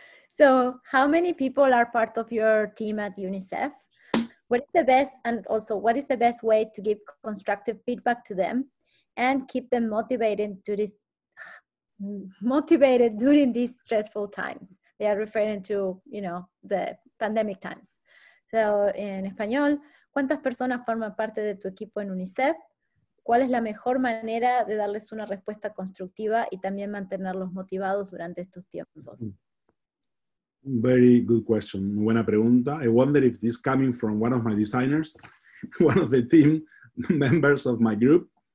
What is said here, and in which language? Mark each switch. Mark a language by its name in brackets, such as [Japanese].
[English] So how many people are part of your team at UNICEF? What is the best, and also what is the best way to give constructive feedback to them and keep them motivated during these stressful times? They are referring to, you know, the pandemic times. So in [Spanish] español, ¿cuántas personas forman parte de tu equipo en UNICEF? ¿Cuál es la mejor manera de darles una respuesta constructiva y también mantenerlos motivados durante estos tiempos? [English] Very good question. [Spanish] Buena pregunta. [English] I wonder if this coming from one of my designers, one of the team members of my group.